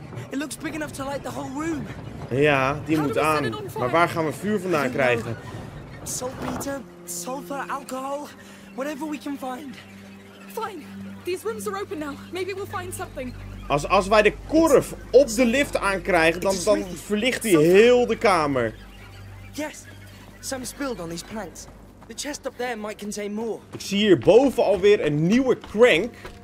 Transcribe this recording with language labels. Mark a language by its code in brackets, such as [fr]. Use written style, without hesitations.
[en] It looks big enough to light the whole room. [nl] Ja, die moet aan. Maar waar gaan we vuur vandaan krijgen? [en] Saltpeter, sulfur, alcohol, whatever we can find. Fine. These rooms are open now. Maybe we'll find something. [nl] Als wij de korf op de lift aankrijgen, dan verlicht hij heel de kamer. [en] Yes, some spilled on these planks. The chest up there might contain more. [nl] Ik zie hier boven alweer een nieuwe crank.